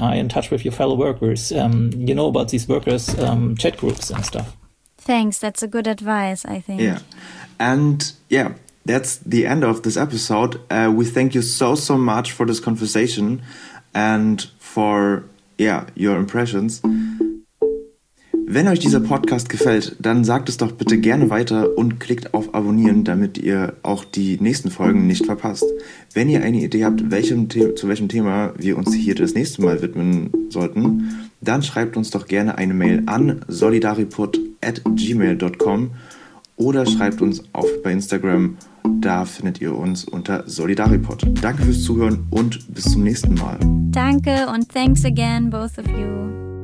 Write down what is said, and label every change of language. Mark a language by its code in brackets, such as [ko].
[en] Are you in touch with your fellow workers? You know about these workers' chat groups and stuff. Thanks, that's a good advice, I think. Yeah, and yeah, that's the end of this episode. We thank you so much for this conversation and for, yeah, your impressions. [de] Wenn euch dieser Podcast gefällt, dann sagt es doch bitte gerne weiter und klickt auf Abonnieren, damit ihr auch die nächsten Folgen nicht verpasst. Wenn ihr eine Idee habt, zu welchem Thema wir uns hier das nächste Mal widmen sollten, dann schreibt uns doch gerne eine Mail an solidarreport@gmail.com oder schreibt uns auf bei Instagram, da findet ihr uns unter solidarreport. Danke fürs Zuhören und bis zum nächsten Mal. Danke und [en] thanks again, both of you.